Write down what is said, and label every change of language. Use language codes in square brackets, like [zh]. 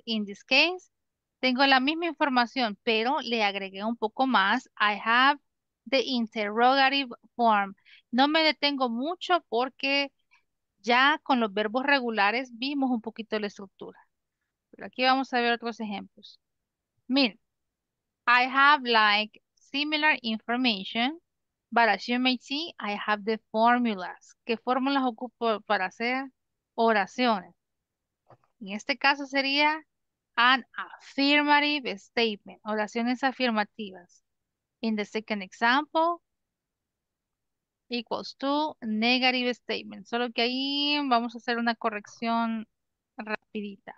[en] In this case, [es] tengo la misma información, pero le agregué un poco más. [en] I have the interrogative form. [es] No me detengo mucho porque ya con los verbos regulares vimos un poquito la estructura. Pero aquí vamos a ver otros ejemplos. [en] Miren, I have like similar information, but as you may see, I have the formulas. [es] ¿Qué fórmulas ocupo para hacer oraciones? En este caso sería [en] an affirmative statement, [es] oraciones afirmativas. [en] In the second example, equals to negative statement. [es] Solo que ahí vamos a hacer una corrección rapidita.